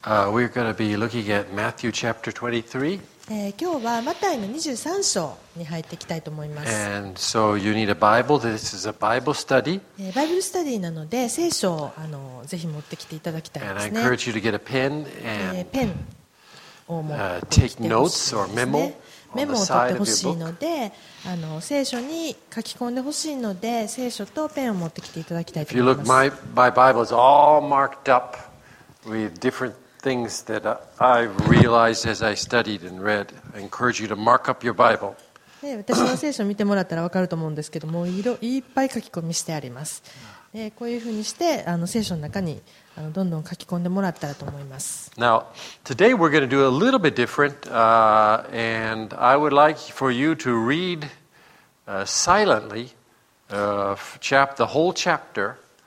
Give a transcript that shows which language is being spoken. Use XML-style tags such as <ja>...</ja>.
<en>We're going to be looking at Matthew chapter 23.</en> <ja>今日はマタイの23章に入っていきたいと思います。</ja> <en>And so you need a Bible. This is a Bible study.</en> <ja>バイブルスタディなので聖書をぜひ持ってきていただきたいですね。</ja> <en>And I encourage you to get a pen and</en> <ja>ペンを持ってきてほしいですね。</ja> <en>Take notes or</en> <ja>メモを取ってほしいので聖書に書き込んでほしいので聖書とペンを持ってきていただきたいと思います。</ja> <en>If you look, my Bible is all marked up with different things that I realized as I studied and read. I encourage you to mark up your Bible.</en> <ja>私の聖書を見てもらったら分かると思うんですけども、いっぱい書き込みしてあります。こういうふうにして聖書の中にどんどん書き込んでもらったらと思います。</ja> <en>Now, today we're going to do a little bit different, and I would like for you to read silently the whole chapter.</en>